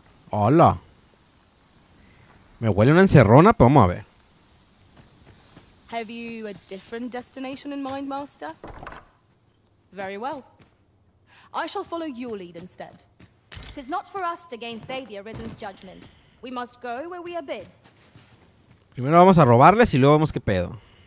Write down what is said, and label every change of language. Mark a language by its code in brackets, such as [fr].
[es] Hola. Me huele una encerrona, pero vamos a ver. [en] Have you a different destination in mind, master? Very well. I shall follow your lead instead. 'Tis not for us to gainsay the arisen's judgment. We must go where we are bid. [es] Primero vamos a robarles y luego vemos qué pedo.